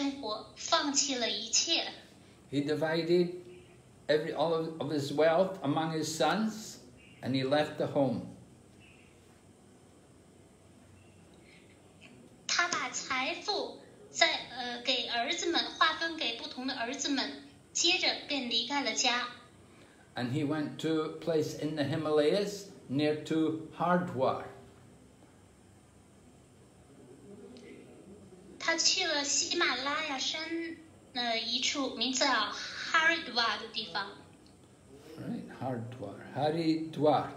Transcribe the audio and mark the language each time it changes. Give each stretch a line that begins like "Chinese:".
Chinese: 然而，当时间享受的时间结束的时候，他便退出了家庭生活，放弃了一切。
English: He divided all of his wealth among his sons, and he left the home.
Chinese: 他把财富给儿子们划分给不同的儿子们，接着便离开了家。
English: And he went to a place in the Himalayas. Near to Hardwar.
Chinese: 他去了喜马拉雅山的一处名字叫Haridwar的地方。Haridwar